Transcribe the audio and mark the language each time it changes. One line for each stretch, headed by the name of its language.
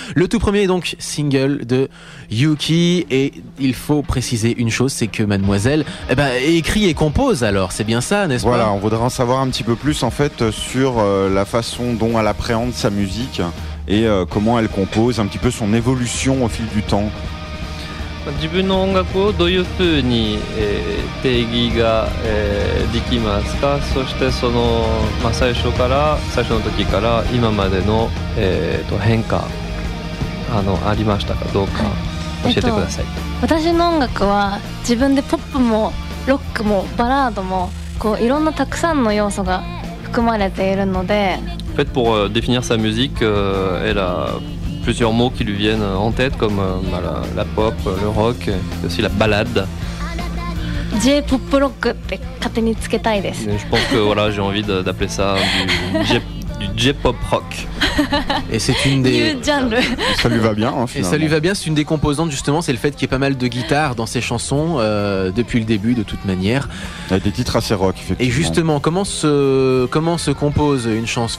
French: Le tout premier donc single de Yuki, et il faut préciser une chose, c'est que Mademoiselle écrit et compose alors, c'est bien ça, n'est-ce voilà, pas? Voilà, on voudrait en savoir un petit peu plus en fait sur la façon dont elle appréhende sa musique et comment elle compose, un petit peu son évolution au fil du temps.
Japanese: 自分の音楽をどういうふうに、定義が、できますか？そしてその、まあ、最初から最初の時から今までの、変化 ありましたかどうか教えてください、はい私の音楽は自分でポップもロックもバラードもこういろんなたくさんの要素が含まれているので
French: en fait, pour définir sa musique, elle a... plusieurs mots qui lui viennent en tête comme la pop, le rock et aussi la ballade.
Japanese: J-pop rock って勝手につけたいです。
French: Je pense que voilà, j'ai envie d'appeler ça du J-pop rock. Et c'est une des... ça lui va bien, hein, finalement. Et ça lui va bien, c'est une des composantes justement, c'est le fait qu'il y ait pas mal de guitare dans ses chansons depuis le début de toute manière. Il y a des titres assez rock, effectivement. Et justement, comment se compose une chanson?